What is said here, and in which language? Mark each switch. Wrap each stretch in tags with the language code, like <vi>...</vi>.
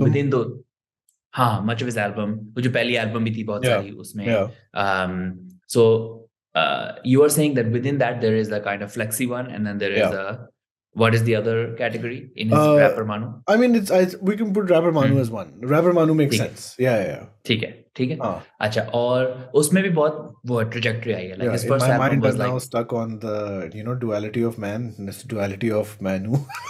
<en>Within the,</en> <hi>haan,</hi> <en>much of his album.</en> <hi>Wo jo pehli album bhi thi bahut sari usme.</hi> <en>So you are saying that within that there is a kind of flexi one, and then there is a, what is the other category in his rapper Manu? I mean, we can put rapper Manu as one. Rapper Manu makes sense. Yeah.</en> <hi>ठीक है. अच्छा और उसमें भी बहुत वो trajectory आई है.</hi> <en>Like his first album was like. My mind is now stuck on the, you know, duality of man, this duality of Manu.</en>